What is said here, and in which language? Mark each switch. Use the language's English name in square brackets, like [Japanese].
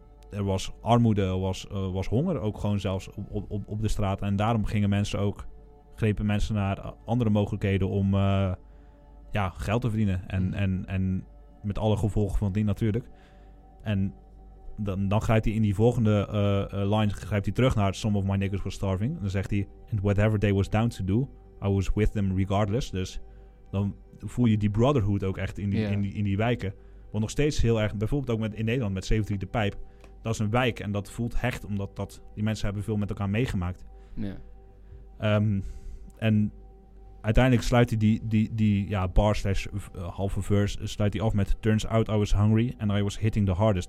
[Dutch] Er was armoede, was honger, ook gewoon zelfs op de straat. En daarom grepen mensen naar andere mogelijkheden om geld te verdienen. En met alle gevolgen van die natuurlijk. En Dan grijpt hij in die volgende line, grijpt hij terug naar [English] some of my niggas were starving. [Dutch] En dan zegt hij, [English] and whatever they was down to do, I was with them regardless. [Dutch] Dus dan voel je die brotherhood ook echt in die wijken. Want nog steeds heel erg, bijvoorbeeld ook in Nederland met 73 de Pijp. Dat is een wijk en dat voelt hecht, omdat die mensen hebben veel met elkaar meegemaakt. Nee. En uiteindelijk sluit hij die bar / halve verse sluit hij af met [English] turns out I was hungry and I was hitting the hardest.